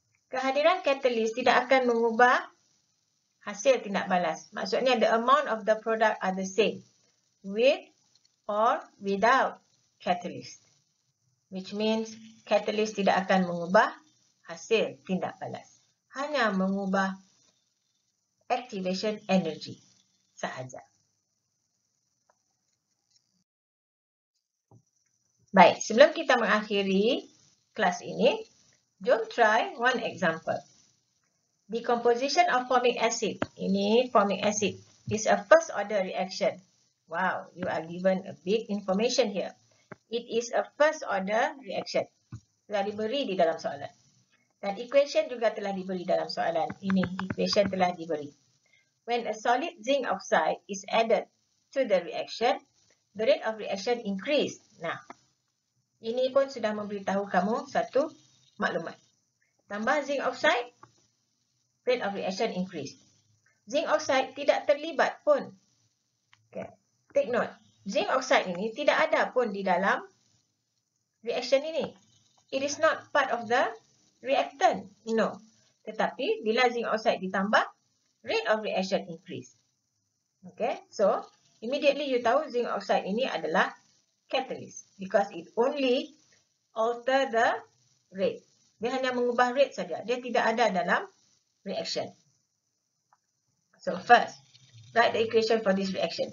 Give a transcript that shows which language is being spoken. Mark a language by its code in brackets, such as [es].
[ms] Kehadiran catalyst tidak akan mengubah hasil tindak balas. Maksudnya, [en] the amount of the product are the same with or without catalyst. Which means, [ms] catalyst tidak akan mengubah hasil tindak balas. Hanya mengubah activation energy sahaja. Baik, sebelum kita mengakhiri kelas ini, jom [en] try one example. Decomposition of formic acid. [ms] Ini [en] formic acid is a first order reaction. Wow, you are given a big information here. It is a first order reaction. [ms] Telah diberi di dalam soalan. Dan equation juga telah diberi dalam soalan. Ini equation telah diberi. [en] When a solid zinc oxide is added to the reaction, the rate of reaction increase. [ms] Nah, ini pun sudah memberitahu kamu satu maklumat. Tambah [en] zinc oxide, rate of reaction increase. [ms] Zinc oxide tidak terlibat pun. Okay. [en] Take note, [ms] zinc oxide ini tidak ada pun di dalam reaction ini. [en] It is not part of the reactant. No. [ms] Tetapi, bila [en] zinc oxide [ms] ditambah, [en] rate of reaction increase. Okay. So, immediately you [ms] tahu [en] zinc oxide [ms] ini adalah [en] catalyst. Because it only alter the rate. [ms] Dia hanya mengubah rate saja. Dia tidak ada dalam reaction. [en] So first, write the equation for this reaction.